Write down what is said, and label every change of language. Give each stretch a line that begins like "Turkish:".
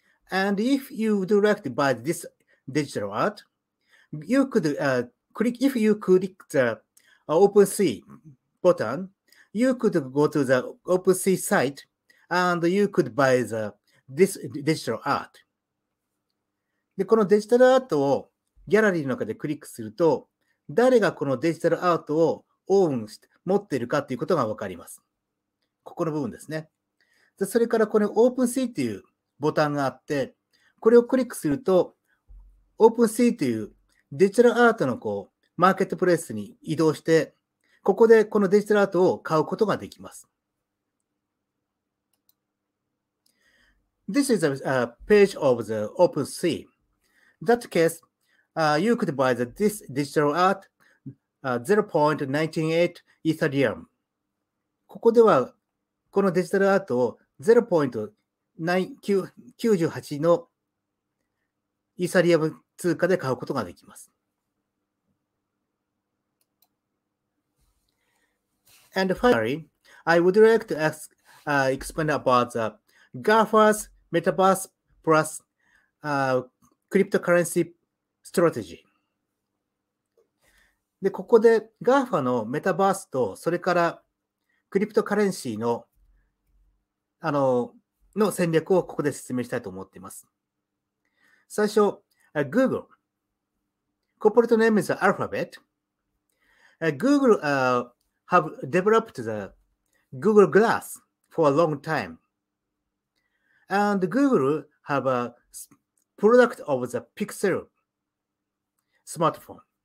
English: And if you would like to buy this digital art, you could click the OpenSea button, you could go to the OpenSea site and you could buy this digital art.
Japanese: で、このデジタルアートをギャラリーの中でクリックすると、誰がこのデジタルアートをオンして、持っているかということがわかります。ここの部分ですね。で、それからこれ OpenSea というボタンがあって、これをクリックすると OpenSea というデジタルアートのこうマーケットプレイスに移動して、ここでこのデジタルアートを買うことができます。
English: This is a page of the OpenSea. That case, you could buy this digital art 0.198.
Japanese: イーサリアム。ここでは、このデジタルアートを 0.998 のイーサリアム通貨で買うことができます。
English: And finally, I would like to ask, explain about the GAFA's Metaverse Plus, cryptocurrency strategy.
Japanese: で、ここで GAFA のメタバースと、それからクリプトカレンシーの、の戦略をここで説明したいと思っています。最初、Google。コーポレートネームはアルファベット。
English: Google have developed the Google Glass for a long time. And Google have a product of the Pixel smartphone.